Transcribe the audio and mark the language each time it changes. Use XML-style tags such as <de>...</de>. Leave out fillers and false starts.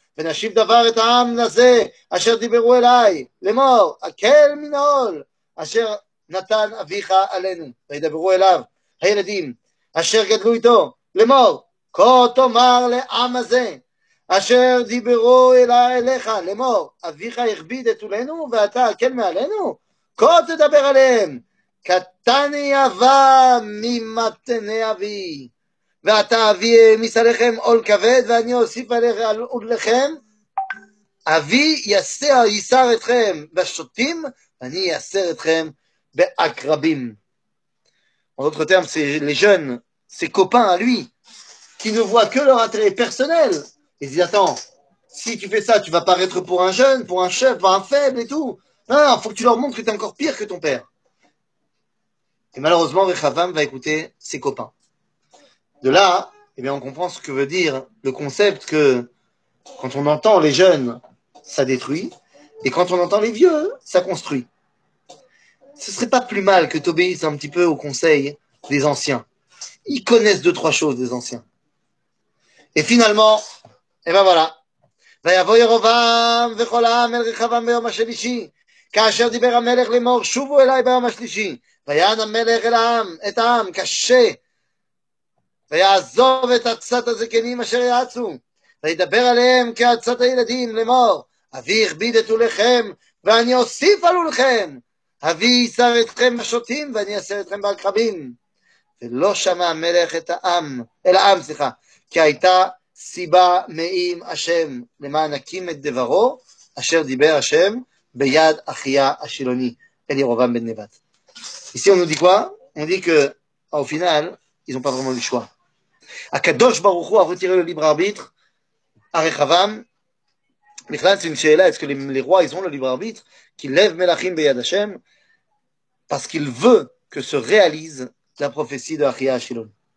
<he>ונשיב דבר את העם הזה אשר דיברו אליי, למור, הקל מן העול אשר נתן אביך עלינו, וידברו אליו הילדים אשר גדלו איתו, למור, כה תאמר לעם הזה אשר דיברו אליי אליך, למור, אביך יכביד את עולנו ואתה הקל מעלינו, כה תדבר עליהם, קטני אבה ממתני אבי. ואתה אבי העמיס עליכם עול כבד, ואני אוסיף עליכם, אבי יסר אתכם בשוטים, ואני יסר אתכם בעקרבים.</he> <fr>En d'autres termes, c'est les jeunes, ses copains à lui, qui ne voient que leur intérêt personnel. Ils disent, attends, si tu fais ça, tu vas paraître pour un jeune, pour un chef, pour un faible et tout. Non, non, faut que tu leur montres que tu es encore pire que ton père. Et malheureusement, Rechavam va écouter ses copains. De là, eh bien, on comprend ce que veut dire le concept que quand on entend les jeunes, ça détruit. Et quand on entend les vieux, ça construit. Ce serait pas plus mal que tu obéisses un petit peu au conseil des anciens. Ils connaissent deux, trois choses, les anciens. Et finalement, et ben voilà.</fr> <he>ויבוא ירובעם וכל העם אל רחבעם ביום השלישי כאשר דיבר המלך לאמור שובו אליי ביום השלישי ויען המלך אל העם את העם קשה ויעזוב את עצת הזקנים אשר יעצו וידבר עליהם כעצת הילדים לאמור אבי הכביד את עולכם ואני אוסיף על עולכם אבי יסר אתכם בשוטים ואני אסר אתכם בעקרבים ולא שמע המלך את העם אל העם סליחה כי הייתה סיבה מאים השם למען הקים את דברו אשר דיבר השם ביד אחיה השילוני אל ירובעם בן נבט.</he> <fr>Ici on nous dit quoi? On dit que au final ils ont pas vraiment le choix. הקדוש ברוך הוא a retiré le libre arbitre à רחבעם. בכלל c'est une שאלה, est-ce que les rois ils ont le libre arbitre qui lève</fr> <he>מלאכים ביד השם</he> <fr>parce qu'il veut que se réalise la prophétie de אחיה השילוני.</fr>